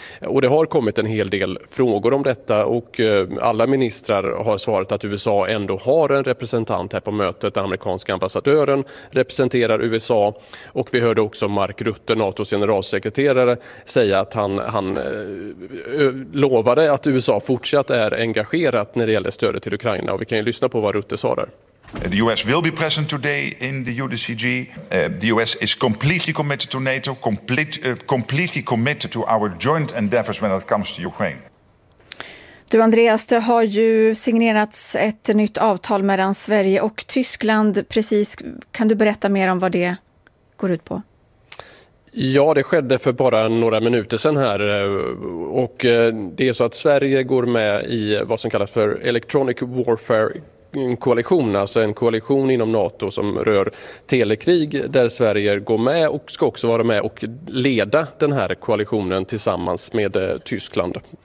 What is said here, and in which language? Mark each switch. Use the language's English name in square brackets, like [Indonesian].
[Swedish] Och det har kommit en hel del frågor om detta. Och alla ministrar har svarat att USA ändå har en representant här på mötet. Den amerikanska ambassadören representerar USA. Och vi hörde också Mark Rutte, NATOs generalsekreterare, säga att han lovade att USA fortsatt är engagerat när det gäller stödet till Ukraina. Och vi kan ju lyssna på vad Rutte sa där. [English] The US will be present today in the UDCG. The US is completely committed to NATO, completely committed to our joint endeavors when it comes to Ukraine. [Swedish] Du, Andreas, det har ju signerats ett nytt avtal mellan Sverige och Tyskland. Precis, kan du berätta mer om vad det går ut på? Ja, det skedde för bara några minuter sedan här, och det är så att Sverige går med i vad som kallas för Electronic Warfare koalition, alltså en koalition inom NATO som rör telekrig, där Sverige går med och ska också vara med och leda den här koalitionen tillsammans med Tyskland.